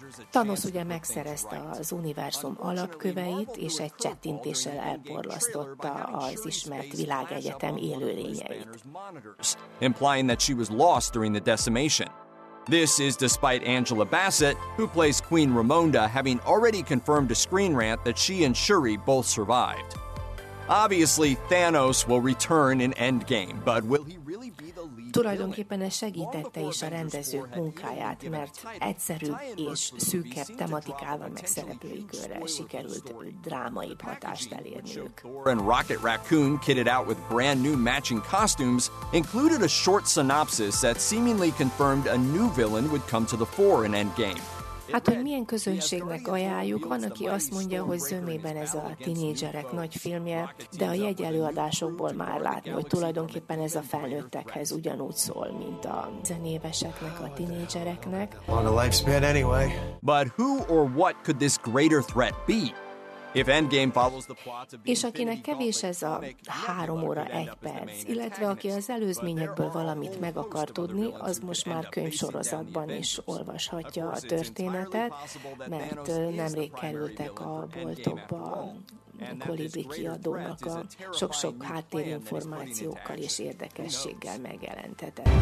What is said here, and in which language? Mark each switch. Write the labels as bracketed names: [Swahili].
[Hungarian] Thanos ugye megszerezte az univerzum alapköveit, és egy csettintéssel elporlasztotta az ismert világegyetem élőlényeit. [English] Implying that she was lost during the decimation. This is despite Angela Bassett, who plays Queen Ramonda, having already confirmed to Screen Rant that she and Shuri both survived. Obviously, Thanos will return in Endgame, but will he really be the lead? [Hungarian] Tulajdonképpen ez segítette is a rendezők munkáját, mert egyszerűbb és szűkebb tematikával meg szereplői körrel sikerült drámai hatást elérniük. [English] And Rocket Raccoon, kitted out with brand new matching costumes, included a short synopsis that seemingly confirmed a new villain would come to the fore in Endgame. [Hungarian] Hát, hogy milyen közönségnek ajánljuk, van, aki azt mondja, hogy zömében ez a tinédzserek nagy filmje, de a jegyelőadásokból már látni, hogy tulajdonképpen ez a felnőttekhez ugyanúgy szól, mint a zenéveseknek, a tinédzsereknek. [English] But who or what could this greater threat be? If Endgame follows the plots of the [Hungarian] és akinek kevés ez a 3 óra 1 perc, illetve aki az előzményekből valamit meg akar tudni, az most már könyvsorozatban is olvashatja a történetet, mert nemrég kerültek a boltokba a Kolibri kiadónak a sok-sok háttérinformációkkal és érdekességgel megjelentetett.